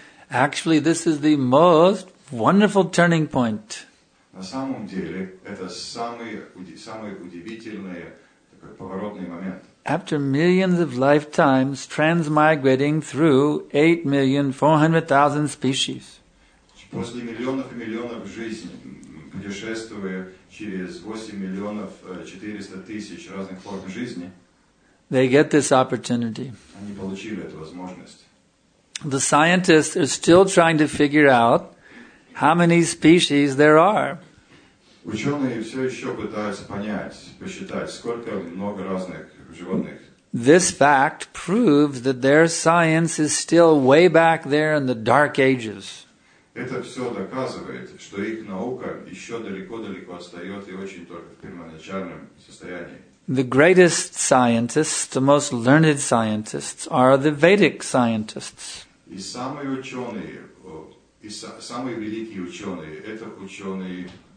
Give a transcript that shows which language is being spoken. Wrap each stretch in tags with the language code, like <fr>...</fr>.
<en>Actually, this is the most wonderful turning point.</en> <ru>На самом деле, это самый удивительный такой поворотный момент.</ru> <en>After millions of lifetimes transmigrating through 8,400,000 species.</en> <ru>После миллионов и миллионов жизней, путешествуя через 8,400,000 разных форм жизни,</ru> <en>they get this opportunity.</en> <ru>Они получили эту возможность.</ru> <en>The scientists are still trying to figure out how many species there are.</en> <ru>Ученые все еще пытаются понять, посчитать, сколько много разных животных.</ru> <en>This fact proves that their science is still way back there in the dark ages.</en> <ru>Это все доказывает, что их наука еще далеко-далеко отстает и очень только в первоначальном состоянии.</ru> <en>The greatest scientists, the most learned scientists, are the Vedic scientists.</en> <ru>И самые великие ученые, это ученые...</ru>